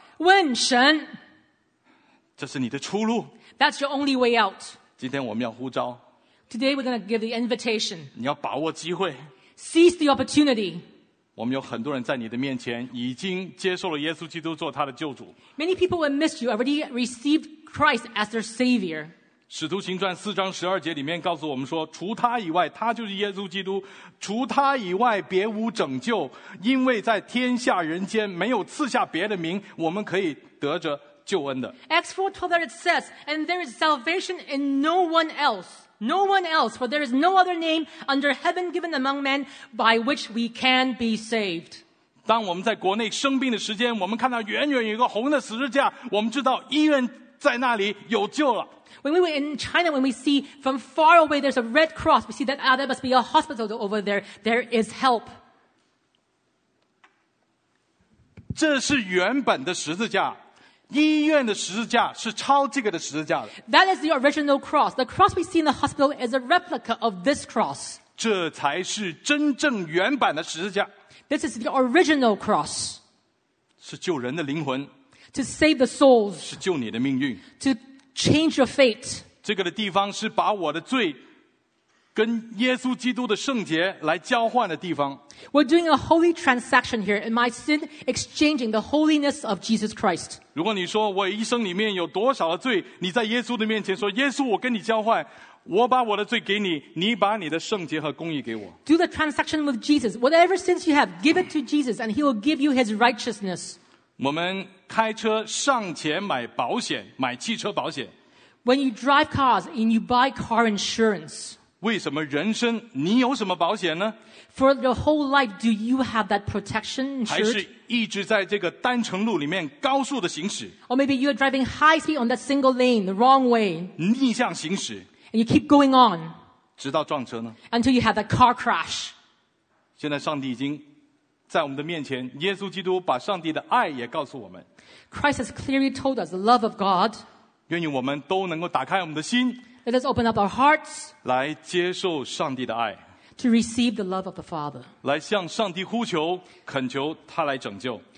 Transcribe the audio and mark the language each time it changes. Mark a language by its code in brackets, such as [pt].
[zh] 问神。这是你的出路。 [en] That's your only way out. [zh] 今天我们要呼召。 [en] Today we're going to give the invitation. [zh] 你要把握机会。 [en] Seize the opportunity. [zh] 我们有很多人在你的面前已经接受了耶稣基督做他的救主。 [en] Many people who missed you already received Christ as their Savior. [zh] 使徒行传四章十二节里面告诉我们说，除他以外，他就是耶稣基督，除他以外别无拯救，因为在天下人间没有赐下别的名我们可以得着救恩的。 [en] Acts 4:12 that it says, and there is salvation in no one else, no one else, for there is no other name under heaven given among men by which we can be saved. [zh] 当我们在国内生病的时间，我们看到远远有一个红的十字架，我们知道医院在那里有救了。 [en] When we were in China, when we see from far away there's a red cross, we see that, ah, there must be a hospital over there. There is help. [zh] 这是原本的十字架。医院的十字架是抄这个的十字架的。 [en] That is the original cross. The cross we see in the hospital is a replica of this cross. [zh] 这才是真正原版的十字架。 [en] This is the original cross. [zh] 是救人的灵魂。 [en] To save the souls. [zh] 是救你的命运。 [en] To change your fate. [zh] 这个的地方是把我的罪跟耶稣基督的圣洁来交换的地方。 [en] We're doing a holy transaction here in my sin exchanging the holiness of Jesus Christ. [zh] 如果你说我一生里面有多少的罪，你在耶稣的面前说，耶稣，我跟你交换，我把我的罪给你，你把你的圣洁和公义给我。 [en] Do the transaction with Jesus. Whatever sins you have, give it to Jesus, and He will give you His righteousness. [zh] 我们开车上前买保险，买汽车保险。 [en] When you drive cars and you buy car insurance. [zh] 为什么人生你有什么保险呢？ [en] For your whole life, do you have that protection? [zh] 还是一直在这个单程路里面高速的行驶 [en] ？Or maybe you are driving high speed on that single lane, the wrong way. [zh] 逆向行驶 [en] ，and you keep going on. [zh] 直到撞车呢 [en] ？Until you have that car crash. [zh] 现在上帝已经在我们的面前，耶稣基督把上帝的爱也告诉我们。 [en] Christ has clearly told us the love of God. [zh] 愿意我们都能够打开我们的心 [en] ，Let us open up our hearts. [zh] 来接受上帝的爱。 [en] To receive the love of the Father. [zh] 来向上帝呼求，恳求他来拯救。